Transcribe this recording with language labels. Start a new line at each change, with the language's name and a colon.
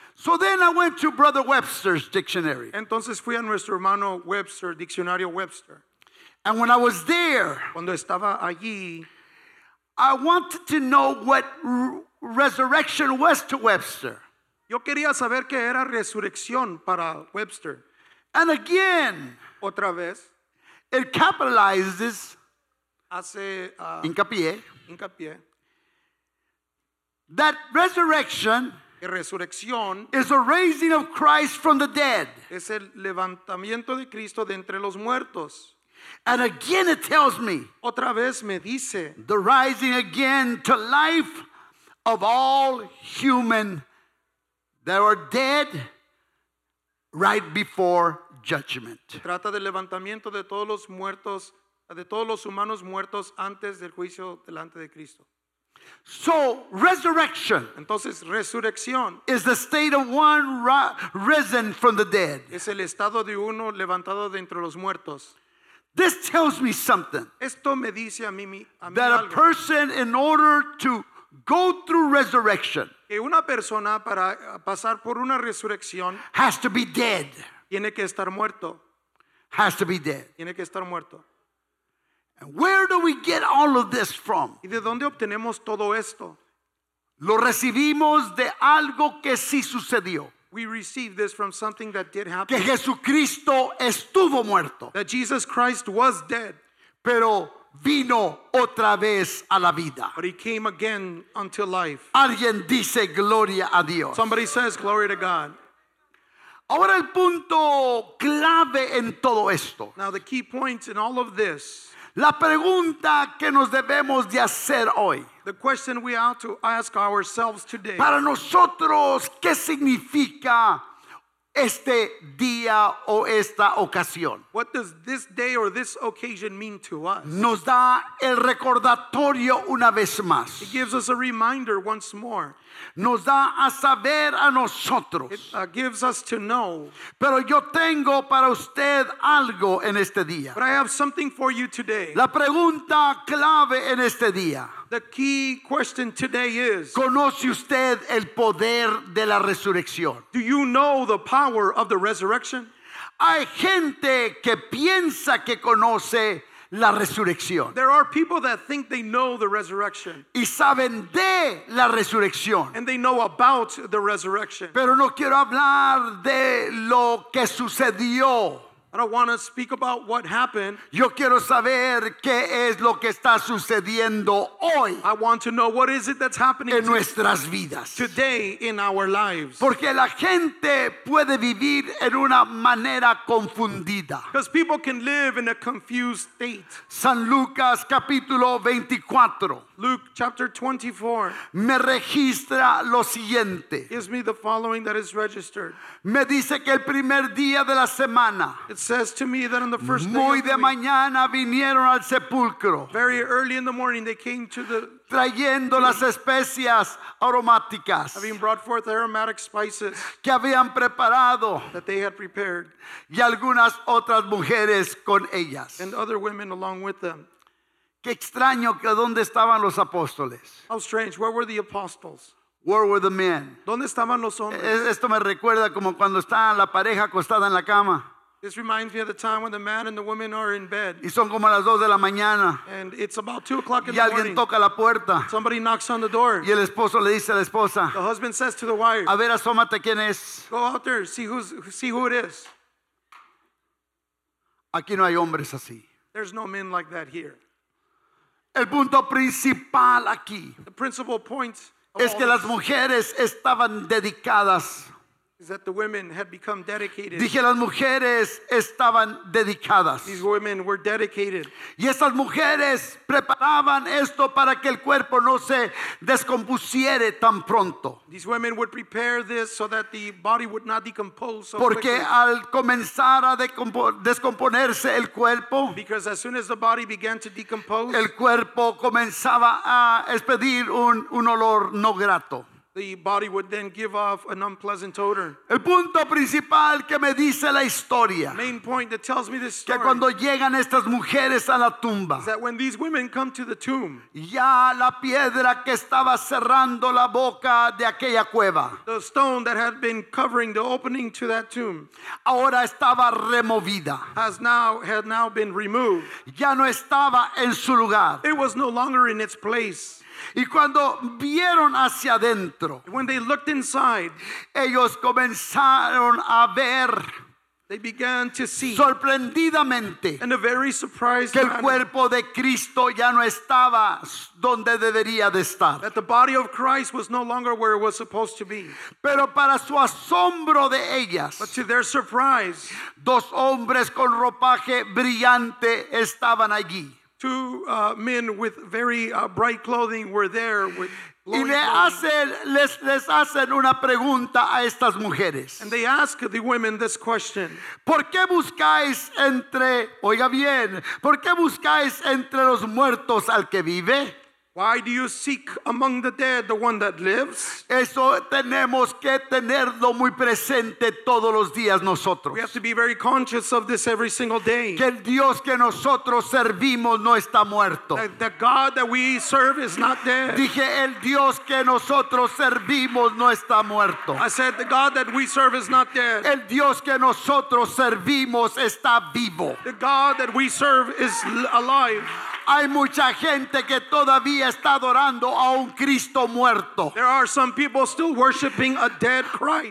English: So then I went to Brother Webster's dictionary.
Spanish: Entonces fui a nuestro hermano Webster, diccionario Webster.
English: And when I was there,
Spanish: cuando estaba allí,
English: I wanted to know what resurrection was to Webster.
Spanish: Yo quería saber qué era resurrección para Webster.
English: And again,
Spanish: otra vez,
English: it capitalizes,
Spanish: hace hincapié,
English: that resurrection.
Spanish: Resurrección
English: is the raising of Christ from the dead.
Spanish: Es el levantamiento de Cristo de entre los muertos.
English: And again it tells me.
Spanish: Otra vez me dice.
English: The rising again to life of all human that are dead right before judgment.
Spanish: Trata del levantamiento de todos los muertos, de todos los humanos muertos antes del juicio delante de Cristo.
English: So resurrection,
Spanish: entonces resurrección,
English: is the state of one risen from the dead.
Spanish: Es el estado de uno levantado de entre los muertos.
English: This tells me something.
Spanish: Esto me dice a mí,
English: that
Spanish: algo.
English: A person, in order to go through resurrection,
Spanish: que una persona para pasar por una resurrección,
English: has to be dead.
Spanish: Tiene que estar muerto.
English: Has to be dead.
Spanish: Tiene que estar muerto.
English: Where do we get all of this from?
Spanish: ¿Y de dónde obtenemos todo esto? Lo recibimos de algo que sí sucedió.
English: We receive this from something that did happen.
Spanish: Que Jesucristo estuvo muerto.
English: That Jesus Christ was dead.
Spanish: Pero vino otra vez a la vida.
English: But he came again unto life.
Spanish: Alguien dice gloria a Dios.
English: Somebody says glory to God.
Spanish: Ahora el punto clave en todo esto.
English: Now the key points in all of this.
Spanish: La pregunta que nos debemos de hacer hoy.
English: The question we ought to ask ourselves today.
Spanish: Para nosotros, ¿qué significa este día o esta ocasión?
English: What does this day or this occasion mean to us?
Spanish: Nos da el recordatorio una vez más.
English: It gives us a reminder once more.
Spanish: Nos da a saber a nosotros.
English: It gives us to know.
Spanish: Pero yo tengo para usted algo en este día.
English: But I have something for you today.
Spanish: La pregunta clave en este día.
English: The key question today is,
Spanish: ¿conoce usted el poder de la resurrección?
English: Do you know the power of the resurrection?
Spanish: Hay gente que piensa que conoce la resurrección.
English: There are people that think they know the resurrection.
Spanish: Y saben de la resurrección.
English: And they know about the resurrection.
Spanish: Pero no quiero hablar de lo que sucedió.
English: I don't want to speak about what happened.
Spanish: Yo quiero saber qué es lo que está sucediendo hoy.
English: I want to know what is it that's happening
Spanish: en nuestras vidas.
English: Today in our lives.
Spanish: Porque la gente puede vivir en una manera confundida.
English: Because people can live in a confused state.
Spanish: San Lucas capítulo 24.
English: Luke chapter 24.
Spanish: Me registra lo siguiente.
English: Gives me the following that is registered.
Spanish: Me dice que el primer día de la semana.
English: It says to me that on the first day.
Spanish: Muy
English: of the
Spanish: de mañana vinieron al sepulcro.
English: Very early in the morning they came to the.
Spanish: Trayendo las especias aromáticas.
English: Having brought forth aromatic spices.
Spanish: Que habían preparado.
English: That they had prepared.
Spanish: Y algunas otras mujeres con ellas.
English: And other women along with them.
Spanish: Qué extraño que dónde estaban los apóstoles.
English: How strange, where were the apostles? Where were the men?
Spanish: ¿Dónde estaban los hombres? Esto me recuerda como cuando está la pareja acostada en la cama.
English: This reminds me of the time when the man and the woman are in bed.
Spanish: Y son como las 2 de la mañana.
English: And it's about 2 o'clock in the morning.
Spanish: Y alguien toca la puerta.
English: Somebody knocks on the door.
Spanish: Y el esposo le dice a la esposa.
English: The husband says to the wife.
Spanish: A ver, asómate quién es.
English: Go out there, see who it is.
Spanish: Aquí no hay hombres así.
English: There's no men like that here.
Spanish: El punto principal aquí
English: the principal point
Spanish: es que las mujeres estaban dedicadas
English: is that the women had become dedicated.
Spanish: Dije, las mujeres estaban dedicadas.
English: These women were dedicated.
Spanish: Y esas mujeres preparaban esto para que el cuerpo no se descompusiere tan pronto.
English: These women would prepare this so that the body would not decompose so
Spanish: Porque
English: quickly.
Spanish: Al comenzar a descomponerse el cuerpo,
English: because as soon as the body began to decompose,
Spanish: el cuerpo comenzaba a expedir un olor no grato.
English: The body would then give off an unpleasant odor.
Spanish: El punto principal que me dice la historia.
English: Main point that tells me this story.
Spanish: Que cuando llegan estas mujeres a la tumba.
English: Is that when these women come to the tomb.
Spanish: Ya la piedra que estaba cerrando la boca de aquella cueva.
English: The stone that had been covering the opening to that tomb.
Spanish: Ahora estaba removida.
English: Had now been removed.
Spanish: Ya no estaba en su lugar.
English: It was no longer in its place.
Spanish: Y cuando vieron hacia adentro,
English: when they looked inside,
Spanish: ellos comenzaron a ver,
English: they began to see,
Spanish: sorprendidamente,
English: in a very surprised
Spanish: que el cuerpo de Cristo ya no estaba donde debería de estar.
English: That the body of Christ was no longer where it was supposed to be.
Spanish: Pero para su asombro de ellas,
English: but to their surprise,
Spanish: dos hombres con ropaje brillante estaban allí.
English: Two men with very bright clothing were there with glowing
Spanish: y le hacen, les hacen una pregunta a estas mujeres.
English: And they ask the women this question.
Spanish: ¿Por qué buscáis entre, oiga bien, ¿por qué buscáis entre los muertos al que vive?
English: Why do you seek among the dead the one that lives?
Spanish: Eso tenemos que tenerlo muy presente todos los días nosotros.
English: We have to be very conscious of this every single day.
Spanish: Que el Dios que nosotros servimos no está muerto.
English: The God that we serve is not dead.
Spanish: Dije, el Dios que nosotros servimos no está muerto.
English: I said, the God that we serve is not dead.
Spanish: El Dios que nosotros servimos está vivo.
English: The God that we serve is alive.
Spanish: Hay mucha gente que todavía está adorando a un Cristo muerto.
English: There are some people still worshiping a dead Christ.